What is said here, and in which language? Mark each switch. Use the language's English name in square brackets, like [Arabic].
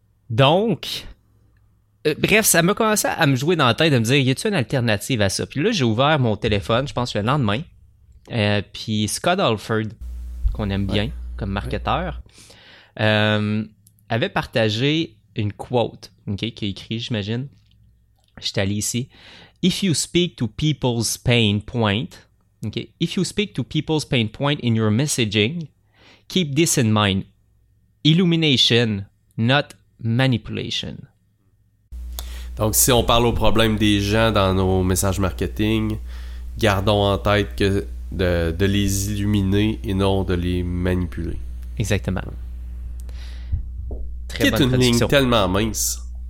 [French] Donc, bref, ça m'a commencé à me jouer dans la tête, de me dire, y a-t-il une alternative à ça? Puis là, j'ai ouvert mon téléphone, je pense le lendemain. Puis Scott Alford, qu'on aime bien comme marketeur, avait partagé une quote, okay, qui est écrite, j'imagine. Je suis allé ici. [English] If you speak to people's pain point, okay. If you speak to people's pain point in your messaging, keep this in mind. Illumination, not manipulation. [French] Donc, si on parle au problème des gens dans nos messages marketing, gardons en tête que de les illuminer et non de les manipuler. Exactement. Très bonne traduction. Qui est une ligne tellement mince.